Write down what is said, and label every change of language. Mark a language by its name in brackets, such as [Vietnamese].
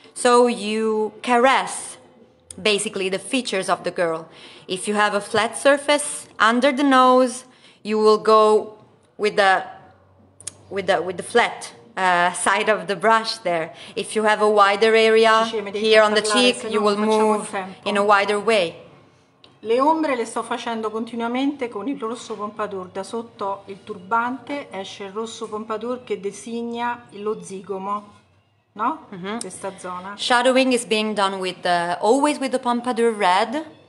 [English] So you caress basically the features of the girl. If you have a flat surface under the nose, you will go with the flat side of the brush there. If you have a wider area here on the cheek, you will move in a wider way. [Italian] Le ombre le sto facendo continuamente con il rosso Pompadour. Da sotto il turbante esce il rosso Pompadour che designa lo zigomo, no? Mm-hmm. Questa zona. [English] Shadowing is being done with always with the Pompadour Red.